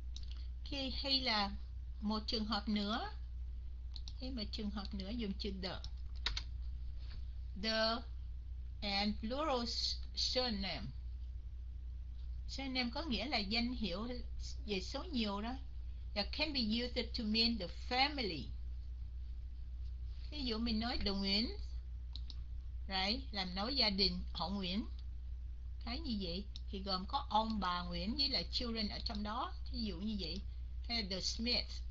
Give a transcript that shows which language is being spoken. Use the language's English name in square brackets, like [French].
[Vietnamese] Ok, hay là một trường hợp nữa. Thế mà trường hợp nữa dùng chữ the. [English] The and plural surname. [Vietnamese] Surname có nghĩa là danh hiệu về số nhiều đó. [English] That can be used to mean the family. [Vietnamese] Ví dụ mình nói the Nguyễn. Right? Làm nói gia đình họ Nguyễn. Cái như vậy thì gồm có ông bà Nguyễn với là children ở trong đó. Ví dụ như vậy. Hay là the Smith.